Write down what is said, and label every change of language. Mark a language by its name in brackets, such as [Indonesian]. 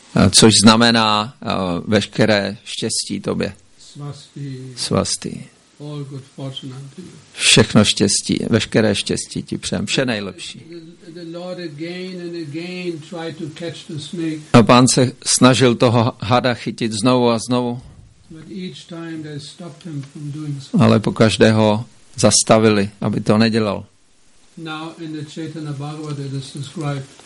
[Czech] Což znamená veškeré štěstí tobě. [Sanskrit] Svasti. Svasti. [English] All good fortune unto you. [Czech] Všechno štěstí, veškeré štěstí ti přejem, vše nejlepší. [English] The Lord again and again tried to catch the snake. [Czech] A pán se snažil toho hada chytit znovu a znovu. [English] But each time they stopped him from doing so. [Czech] Ale po každé ho zastavili, aby to nedělal. [English] Now in the Chaitanya Bhagavata it is described.